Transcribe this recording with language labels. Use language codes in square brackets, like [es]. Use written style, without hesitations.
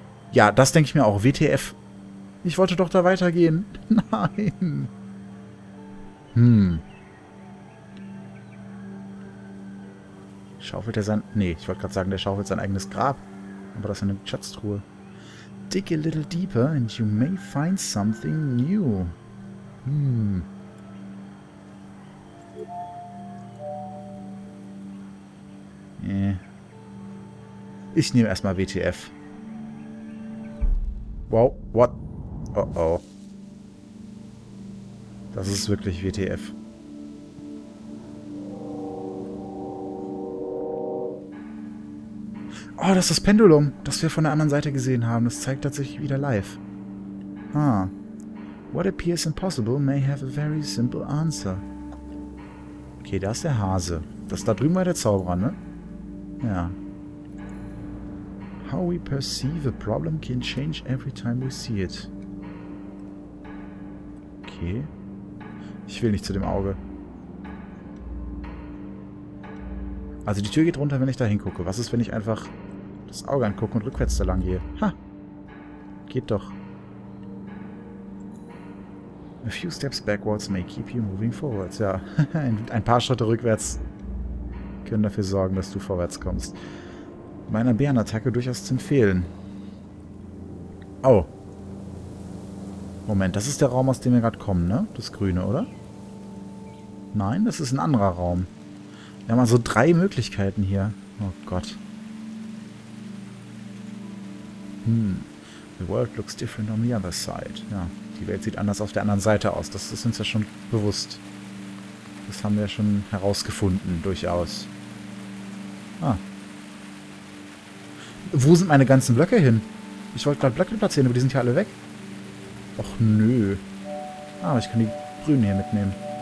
[de] Ja, das denke ich mir auch. WTF. Ich wollte doch da weitergehen. Nein. Hm. Schaufelt er sein... Nee, ich wollte gerade sagen, der schaufelt sein eigenes Grab. Aber das ist eine Schatztruhe. [en] Dig a little deeper and you may find something new. Hm. [de] Ich nehme erstmal WTF. [en] Wow, what? Oh oh. [de] Das ist wirklich WTF. Oh, das ist das Pendulum, das wir von der anderen Seite gesehen haben. Das zeigt tatsächlich wieder live. Ah. [en] What appears impossible may have a very simple answer. [de] Okay, da ist der Hase. Das da drüben war der Zauberer, ne? Ja. [en] How we perceive a problem can change every time we see it. [de] Okay. Ich will nicht zu dem Auge. Also die Tür geht runter, wenn ich da hingucke. Was ist, wenn ich einfach das Auge angucke und rückwärts da lang gehe? Ha! Geht doch. [en] A few steps backwards may keep you moving forwards. [de] Ja, ein paar Schritte rückwärts können dafür sorgen, dass du vorwärts kommst. Meiner Bärenattacke durchaus zu empfehlen. Oh. Moment, das ist der Raum, aus dem wir gerade kommen, ne? Das Grüne, oder? Nein, das ist ein anderer Raum. Wir haben also drei Möglichkeiten hier. Oh Gott. Hm. [en] The world looks different on the other side. [de] Ja, die Welt sieht anders auf der anderen Seite aus. Das ist uns ja schon bewusst. Das haben wir ja schon herausgefunden, durchaus. Ah. Wo sind meine ganzen Blöcke hin? Ich wollte gerade Blöcke platzieren, aber die sind ja alle weg. Och nö. Ah, ich kann die grünen hier mitnehmen.